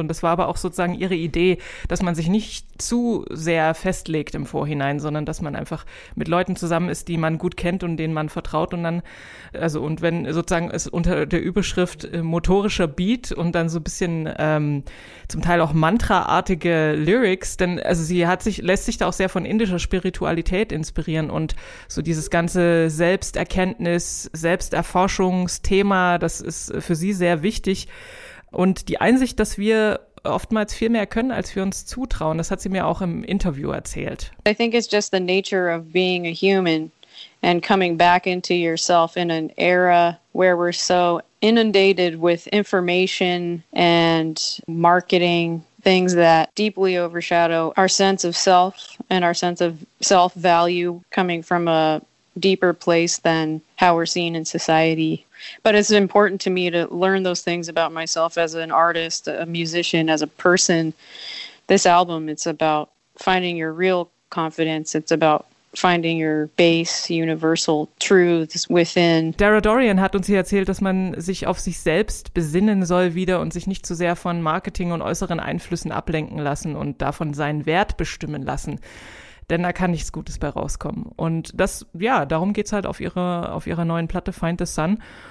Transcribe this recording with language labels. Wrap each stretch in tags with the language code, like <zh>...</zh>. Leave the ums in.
<de>Und das war aber auch sozusagen ihre Idee, dass man sich nicht zu sehr festlegt im Vorhinein, sondern dass man einfach mit Leuten zusammen ist, die man gut kennt und denen man vertraut und dann, also, und wenn sozusagen es unter der Überschrift motorischer Beat und dann so ein bisschen ähm, zum Teil auch Mantra-artige Lyrics, denn also sie sich, lässt sich da auch sehr von indischer Spiritualität inspirieren und so dieses ganze Selbsterkenntnis, Selbsterforschungsthema, das ist für sie sehr wichtig. Und die Einsicht, dass wir oftmals viel mehr können, als wir uns zutrauen, das hat sie mir auch im Interview erzählt.</de> <en>I think it's just the nature of being a human. And coming back into yourself in an era where we're so inundated with information and marketing things that deeply overshadow our sense of self and our sense of self value coming from a deeper place than how we're seen in society. But it's important to me to learn those things about myself as an artist, a musician, as a person. This album, it's about finding your real confidence. It's about finding your base universal truths within.</en> <de>Dara Dorian hat uns hier erzählt, dass man sich auf sich selbst besinnen soll wieder und sich nicht zu sehr von Marketing und äußeren Einflüssen ablenken lassen und davon seinen Wert bestimmen lassen denn da kann nichts Gutes bei rauskommen. Und das, ja, darum geht es halt auf ihrer ihre neuen Platte Find the Sun.</de>